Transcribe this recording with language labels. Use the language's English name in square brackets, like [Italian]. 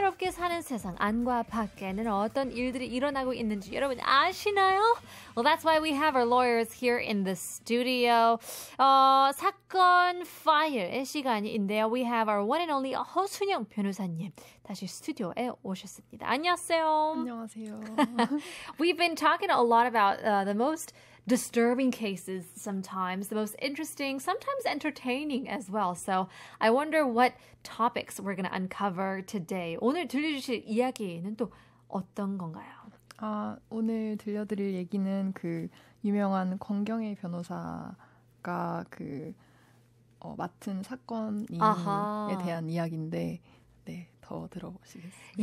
[Korean] 사는 세상 안과 밖에는 어떤 일들이 일어나고 있는지 여러분 아시나요? [English] Well, that's why we have our lawyers here in the studio. [Korean] 사건 파일의 시간인데요. [English] We have our one and only 허순영 [Korean] 변호사님 다시 스튜디오에 오셨습니다. 안녕하세요. 안녕하세요. [English] We've been talking a lot about the most disturbing cases sometimes, the most interesting, sometimes entertaining as well. So I wonder what topics we're going to uncover today. [Korean] 오늘 들려주실 이야기는 또 어떤 건가요? 아, 오늘 들려드릴 얘기는 그 유명한 권경애 변호사가 그 맡은 사건에 대한 이야기인데 네, 더 들어보시겠습니다.